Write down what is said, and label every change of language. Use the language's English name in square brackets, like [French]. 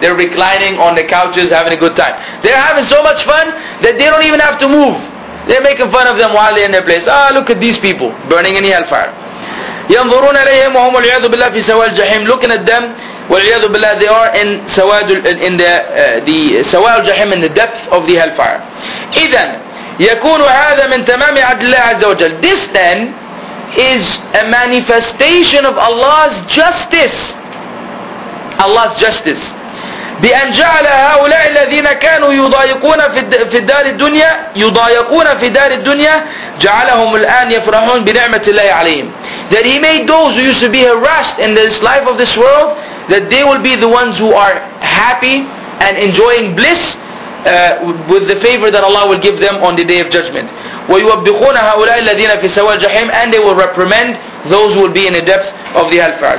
[English] They're reclining on the couches, having a good time. They're having so much fun that they don't even have to move. They're making fun of them while they're in their place. Ah, look at these people burning in the hellfire. [Arabic] يَنْظُرُونَ عَلَيْهِمْ وَهُمْ وَالْعِيَاذُ بِاللَّهِ فِي سَوَاءِ الْجَحِيمِ. [English] Looking at them, [Arabic] وَالْعِيَاذُ بِاللَّهِ, [English] they are in [Arabic] سَوَاءِ الْجَحِيمِ, [English] in the سَوَاءِ الْجَحِيمِ, in the depth of the hellfire. [Arabic] إِذَن, يكون هذا من تمام عدل الله عز وجل. [English] This then is a manifestation of Allah's justice. Allah's justice. [Arabic] بأن جعل هؤلاء الذين كانوا يضايقون في الدار الدنيا يضايقون في دار الدنيا جعلهم الآن يفرحون بنعمة الله عليهم. [English] That he made those who used to be harassed in this life of this world, that they will be the ones who are happy and enjoying bliss with the favor that Allah will give them on the day of judgment. [Arabic] ويوبخون هؤلاء الذين في سواء الجحيم, [English] and they will reprimand those who will be in the depths of the hellfire.